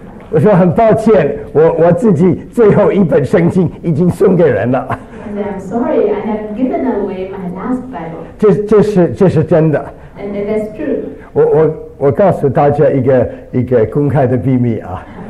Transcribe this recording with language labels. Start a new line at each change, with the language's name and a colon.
Chinese: 我说很抱歉， 我自己最后一本圣经已经送给人了。
English: And I'm sorry, I have given away my last Bible.
Chinese: 这是真的。
English: And that's true.
Chinese: 我告诉大家一个公开的秘密啊。